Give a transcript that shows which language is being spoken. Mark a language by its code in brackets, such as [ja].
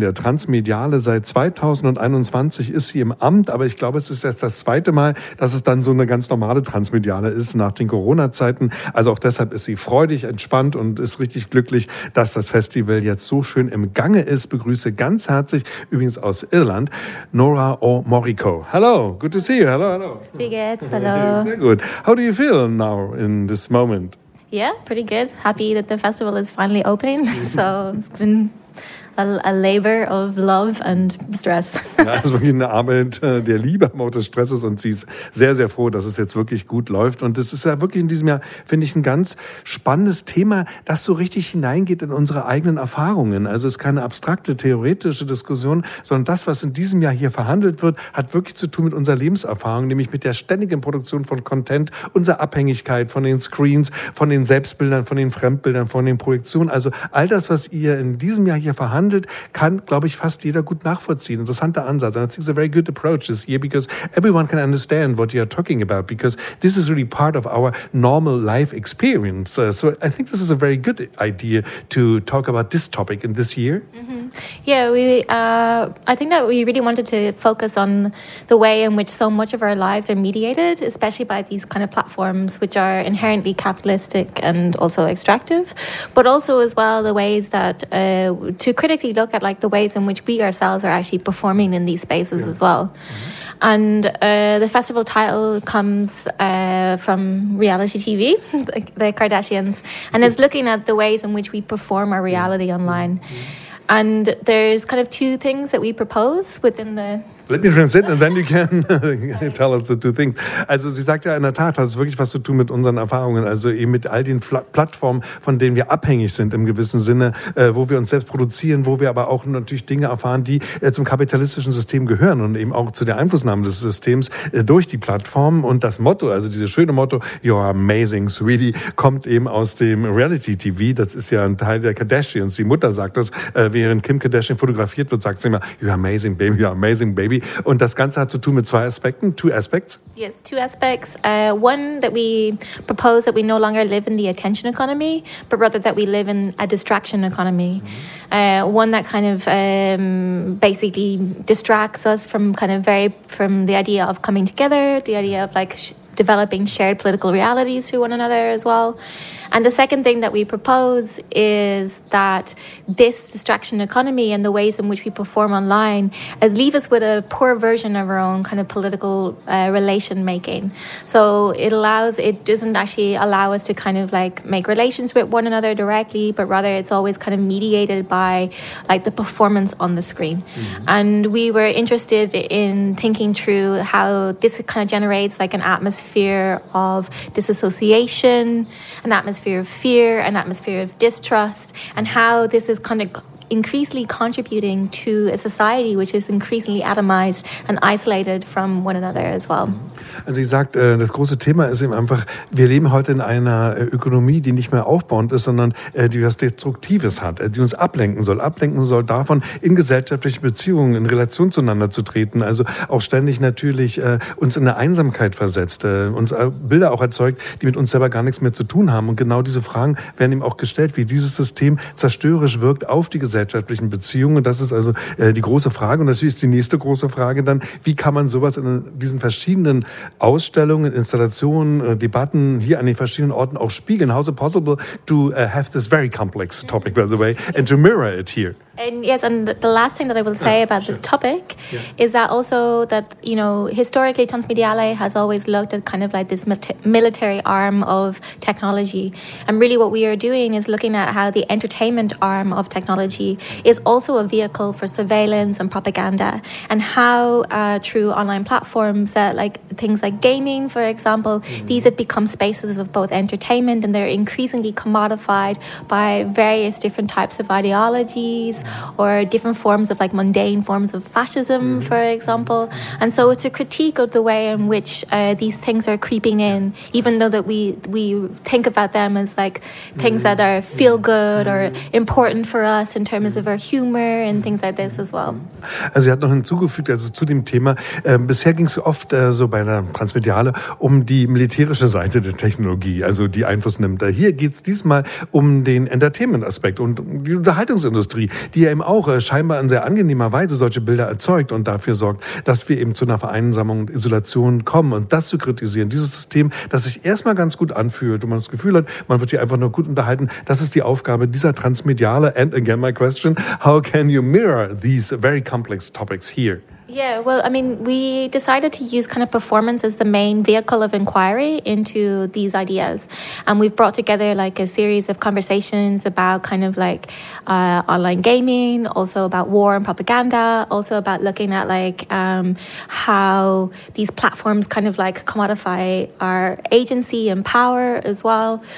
[de] Der Transmediale, seit 2021 ist sie im Amt, aber ich glaube, es ist erst das zweite Mal, dass es dann so eine ganz normale Transmediale ist nach den Corona-Zeiten. Also auch deshalb ist sie freudig, entspannt und ist richtig glücklich, dass das Festival jetzt so schön im Gange ist. Begrüße ganz herzlich, übrigens aus Irland, Nora O'Morico. [en] Hello, good to see you. Hello, hello. [de] Wie geht's? [en] Hello. [de] Sehr gut. [en] How do you feel now in this moment? Yeah, pretty good. Happy that the festival is finally opening. So it's been a labor of love and stress. [de] Ja, es ist wirklich eine Arbeit der Liebe, aber auch des Stresses. Und sie ist sehr, sehr froh, dass es jetzt wirklich gut läuft. Und es ist ja wirklich in diesem Jahr, finde ich, ein ganz spannendes Thema, das so richtig hineingeht in unsere eigenen Erfahrungen. Also es ist keine abstrakte, theoretische Diskussion, sondern das, was in diesem Jahr hier verhandelt wird, hat wirklich zu tun mit unserer Lebenserfahrung, nämlich mit der ständigen Produktion von Content, unserer Abhängigkeit von den Screens, von den Selbstbildern, von den Fremdbildern, von den Projektionen. Also all das, was ihr in diesem Jahr hier verhandelt, kann, glaube ich, fast jeder gut nachvollziehen. Interessanter Ansatz. [en] And I think it's a very good approach this year because everyone can understand what you're talking about because this is really part of our normal life experience. So I think this is a very good idea to talk about this topic in this year. Mm-hmm. Yeah, I think that we really wanted to focus on the way in which so much of our lives are mediated, especially by these kind of platforms, which are inherently capitalistic and also extractive, but also as well the ways that to critically look at like the ways in which we ourselves are actually performing in these spaces as well. Mm-hmm. And the festival title comes from reality TV, the Kardashians, and it's looking at the ways in which we perform our reality online. Mm-hmm. And there's kind of two things that we propose within the... Let me translate and then you can tell us the two things. [de] Also sie sagt ja, in der Tat hat es wirklich was zu tun mit unseren Erfahrungen, also eben mit all den Plattformen, von denen wir abhängig sind im gewissen Sinne, wo wir uns selbst produzieren, wo wir aber auch natürlich Dinge erfahren, die zum kapitalistischen System gehören und eben auch zu der Einflussnahme des Systems durch die Plattformen. Und das Motto, also dieses schöne Motto, [en] you're amazing, sweetie, [de] kommt eben aus dem Reality-TV. Das ist ja ein Teil der Kardashians. Die Mutter sagt das, während Kim Kardashian fotografiert wird, sagt sie immer, [en] you're amazing, baby. [de] Und das Ganze hat zu tun mit zwei Aspekten. [en] Two aspects? Yes, two aspects. One that we propose that we no longer live in the attention economy, but rather that we live in a distraction economy. Mm-hmm. One that kind of basically distracts us from the idea of coming together, the idea of like developing shared political realities to one another as well. And the second thing that we propose is that this distraction economy and the ways in which we perform online leave us with a poor version of our own kind of political relation making. So it doesn't actually allow us to kind of like make relations with one another directly, but rather it's always kind of mediated by like the performance on the screen. Mm-hmm. And we were interested in thinking through how this kind of generates like an atmosphere of disassociation, an atmosphere of fear, an atmosphere of distrust, and how this is kind of increasingly contributing to a society which is increasingly atomized and isolated from one another as well. [de] Also sie sagt, das große Thema ist eben einfach, wir leben heute in einer Ökonomie, die nicht mehr aufbauend ist, sondern die was Destruktives hat, die uns ablenken soll davon, in gesellschaftlichen Beziehungen, in Relation zueinander zu treten, also auch ständig natürlich uns in eine Einsamkeit versetzt, uns Bilder auch erzeugt, die mit uns selber gar nichts mehr zu tun haben. Und genau diese Fragen werden eben auch gestellt, wie dieses System zerstörerisch wirkt auf die gesellschaftlichen Beziehungen. Und das ist also die große Frage. Und natürlich ist die nächste große Frage dann, wie kann man sowas in diesen verschiedenen Ausstellungen, Installationen, Debatten hier an den verschiedenen Orten auch spiegeln. [en] How is it possible to have this very complex topic, by the way, and to mirror it here? And yes, and the last thing that I will say about the topic is that also that, you know, historically Transmediale has always looked at kind of like this military arm of technology. And really what we are doing is looking at how the entertainment arm of technology is also a vehicle for surveillance and propaganda, and how through online platforms that like things like gaming, for example, these have become spaces of both entertainment, and they're increasingly commodified by various different types of ideologies or different forms of like mundane forms of fascism, mm-hmm. for example. And so it's a critique of the way in which these things are creeping in, even though that we think about them as like things that are feel good or important for us in terms terms of our humor and things like this as well. [de] Also, sie hat noch hinzugefügt, also zu dem Thema, bisher ging es oft so bei der Transmediale um die militärische Seite der Technologie, also die Einfluss nimmt. Hier geht es diesmal um den Entertainment-Aspekt und die Unterhaltungsindustrie, die ja eben auch scheinbar in sehr angenehmer Weise solche Bilder erzeugt und dafür sorgt, dass wir eben zu einer Vereinsamung und Isolation kommen. Und das zu kritisieren, dieses System, das sich erstmal ganz gut anfühlt und man das Gefühl hat, man wird hier einfach nur gut unterhalten, das ist die Aufgabe dieser Transmediale. [en] And again, my question, how can you mirror these very complex topics here? Yeah, well, I mean, we decided to use kind of performance as the main vehicle of inquiry into these ideas. And we've brought together like a series of conversations about kind of like online gaming, also about war and propaganda, also about looking at like how these platforms kind of like commodify our agency and power as well.